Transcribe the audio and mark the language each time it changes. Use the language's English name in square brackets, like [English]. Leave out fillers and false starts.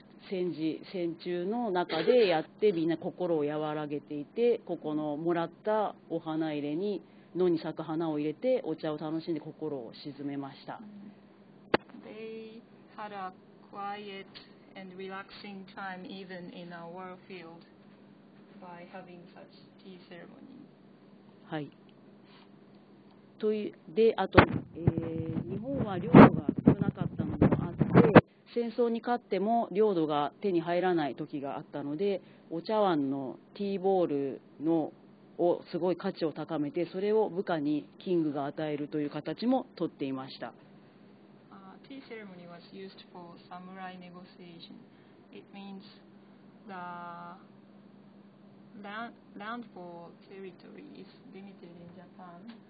[Japanese] 戦時戦中の中でやって、みんな心を和らげていて、ここのもらったお花入れに野に咲く花を入れてお茶を楽しんで心を静めました。 [English] They had a quiet and relaxing time even in a war field by having such tea ceremony. [Japanese] はい、というで、あと、日本は領土が少なかったのもあって、戦争に勝っても領土が手に入らない時があったので、お茶碗のティーボールのをすごい価値を高めて、それを部下にキングが与えるという形も取っていました。 [English] Tea ceremony was used for samurai negotiation. It means the land for territory is limited in Japan.